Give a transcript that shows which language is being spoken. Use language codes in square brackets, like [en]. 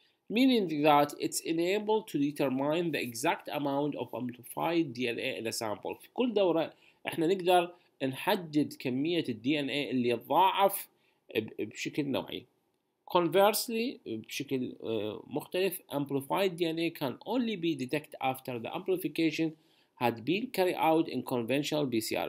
[en] Meaning that it's enabled to determine the exact amount of amplified DNA in a sample. [ar] في كل دورة احنا نقدر نحدد كمية DNA اللي ضاعف بشكل نوعي. [en] Conversely، [ar] بشكل مختلف، [en] amplified DNA can only be detected after the amplification had been carried out in conventional PCR.